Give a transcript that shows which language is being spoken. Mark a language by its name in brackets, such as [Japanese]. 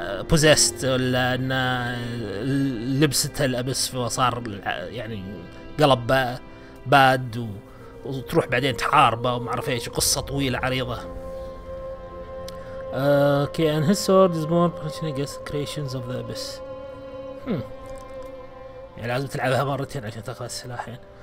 [Arabic] بوزيست ولا انه لبسته الابس وصار يعني قلب باد وتروح بعدين تحاربه وما اعرف ايش قصة طويلة عريضة. [English] Okay and his sword is more personal against creations of the abyss. [Arabic] يعني لازم تلعبها مرتين عشان تاخذ السلاحين.